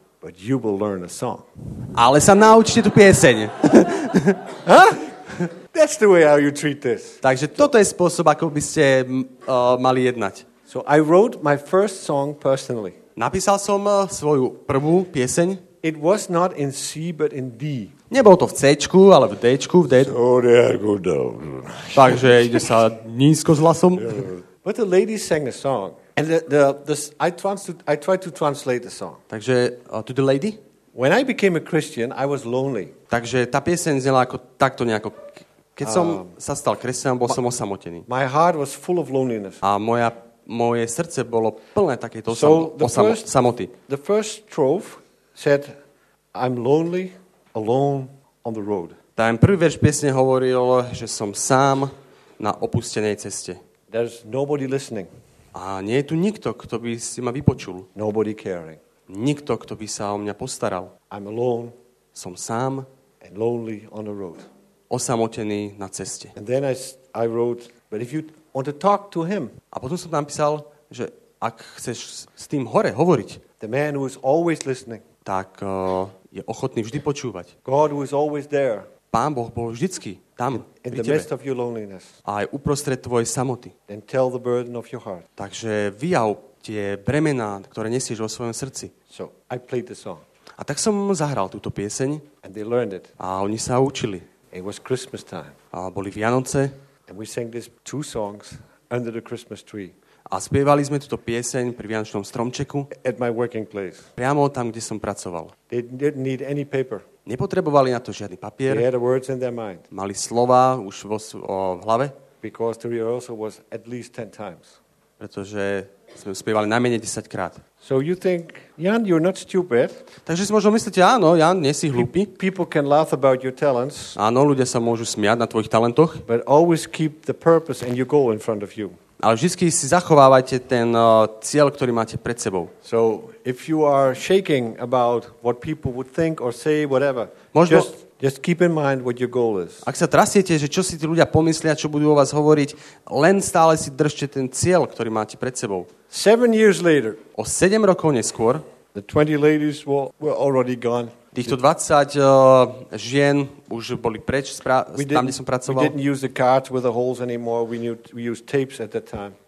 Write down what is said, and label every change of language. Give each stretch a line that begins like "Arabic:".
English: But you will learn a song.
Slovak: Ale sa naučte tú pieseň. Huh?
English: That's the way how you treat this.
Slovak: Takže toto je spôsob, ako by ste mali jednať.
English: So I wrote my first song personally.
Slovak: Napísal som svoju prvú pieseň.
English: It was not in C but in D.
Slovak: Nebolo to v C-čku, ale v D-čku, v D.
English: So there go down.
Slovak: Takže ide sa nízko s hlasom.
English: But the lady sang a song. And I tried to translate the song.
Slovak: Takže
English: to the lady? When I became a Christian, I was lonely.
Slovak: Takže tá pieseň znela ako takto nejako. Keď som sa stal kresťanom, bol som osamotený.
English: My heart was full of loneliness.
Slovak: A moje srdce bolo plné takejto samoty.
English: The first strophe said, I'm lonely, alone on the road.
Slovak: Ten prvý verš piesne hovoril, že som sám na opustenej ceste.
English: There's nobody listening.
Slovak: A nie je tu nikto, kto by si ma vypočul.
English: Nobody caring.
Slovak: Nikto, kto by sa o mňa postaral.
English: I'm alone.
Slovak: Som sám.
English: And lonely on the road.
Slovak: Osamotený na ceste.
English: And then I wrote, but if you want to talk to him.
Slovak: A potom som napísal, že ak chceš s tým hore hovoriť.
English: The man who is always listening.
Slovak: Tak je ochotný vždy počúvať.
English: God was always there.
Slovak: Pán Boh bol vždycky tam,
English: in the midst of your loneliness.
Slovak: A aj uprostred tvojej samoty.
English: And tell the burden of your heart.
Slovak: Takže vyjav tie bremená, ktoré nesieš vo svojom srdci.
English: So I played the song.
Slovak: A tak som zahral túto pieseň.
English: And they learned it.
Slovak: A oni sa učili.
English: It was Christmas time.
Slovak: A boli Vianoce.
English: And we sang these two songs under the Christmas tree.
Slovak: A spievali sme túto pieseň pri vianočnom stromčeku.
English: At my working place.
Slovak: Priamo tam, kde som pracoval.
English: They didn't need any paper.
Slovak: Nepotrebovali na to žiadny papier.
English: They had words in their mind.
Slovak: Mali slova už v hlave.
English: Because the rehearsal was at least 10 times.
Slovak: Pretože sme spievali najmenej 10 krát.
English: So you think, Jan, you're not stupid.
Slovak: Takže si možno myslíte, áno, Jan, nie si hlúpy.
English: People can laugh about your talents.
Slovak: Áno, ľudia sa môžu smiať na tvojich talentoch.
English: But always keep the purpose and your goal in front of you.
Slovak: Ale vždy si zachovávajte ten cieľ, ktorý máte pred sebou.
English: So if you are shaking about what people would think or say whatever.
Slovak: Možno,
English: just keep in mind what your goal is.
Slovak: Ak sa trasiete, že čo si tí ľudia pomyslia, čo budú o vás hovoriť, len stále si držte ten cieľ, ktorý máte pred sebou.
English: 7 years later.
Slovak: O 7 rokov neskôr.
English: The 20 ladies were already gone.
Slovak: Týchto 20 žien už boli preč tam, kde som pracoval.
English: We didn't use the cards with the holes anymore. We used tapes at that time.